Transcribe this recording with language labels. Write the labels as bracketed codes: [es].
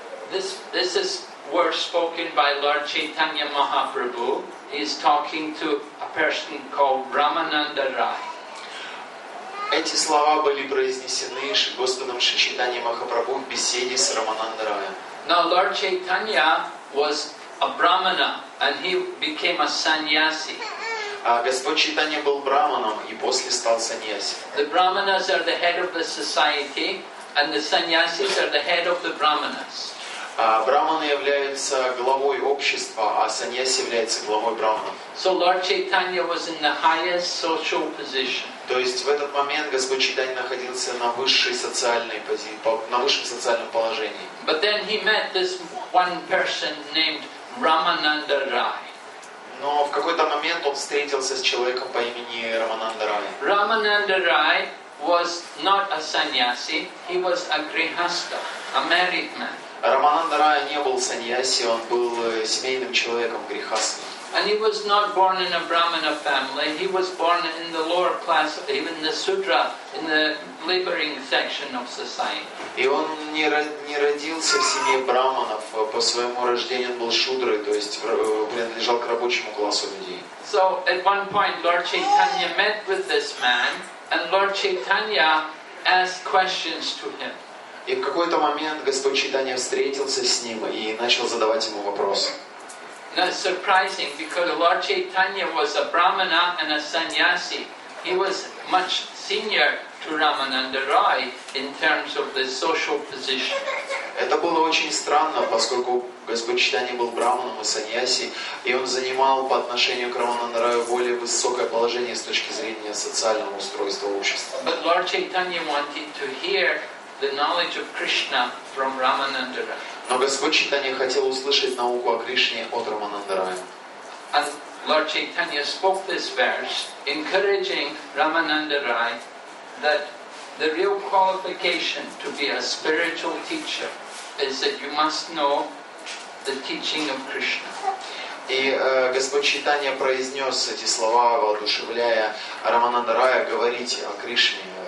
[en] This is words spoken by Lord Chaitanya Mahaprabhu. He is talking to a person called Brahmananda Rai. [ru] Эти слова были произнесены Господом Шри Чайтаньей Махапрабху в беседе с Рамананда-рая. [en] Now Lord Chaitanya was a brahmana and he became a sannyasi. [ru] А Господь Чайтанья был брахманом и после стал саньяси. [en] The brahmanas are the head of the society and the sannyasis are the head of the brahmanas. [ru] Брахманы являются главой общества, а саньяси является главой брахманов. [en] So Lord Chaitanya was in the highest social position. [ru] То есть в этот момент Господь Чайтанья находился на высшей социальной на высшем социальном положении. [en] But then he met this one person named Ramananda Rai. [ru] Но в какой-то момент он встретился с человеком по имени Рамананда Рай. [en] Ramananda Rai was not a sannyasi, he was a grihastha, a married man. [ru] Рамананда Рай не был саньяси, он был семейным человеком, грихастхой. [en] And he was not born in a brahmana family. He was born in the lower class, even the sudra, in the laboring section of society. [ru] И он не родился в семье брахманов. По своему рождению он был шудрой, то есть принадлежал к рабочему классу людей. [en] So at one point, Lord Chaitanya met with this man, and Lord Chaitanya asked questions to him. [ru] И в какой-то момент Господь Читания встретился с ним и начал задавать ему вопросы. [en] Not surprising, because Lord Chaitanya was a brahmana and a sannyasi. He was much senior to Ramananda Roy in terms of the social position. [ru] Это было очень странно, поскольку Господь Читания был брахманом и саньяси, и он занимал по отношению к Рамананда Рою более высокое положение с точки зрения социального устройства общества. [en] But Lord Chaitanya wanted to hear the knowledge of Krishna from Ramananda Roy. [ru] Но Господь Читания хотел услышать науку о Кришне от Рамананда Роя. [en] And Lord Chaitanya spoke this verse, encouraging Ramananda Roy that the real qualification to be a spiritual teacher is that you must know the teaching of Krishna. [ru] И Господь Читания произнес эти слова, воодушевляя Рамананда Роя говорить о Кришне.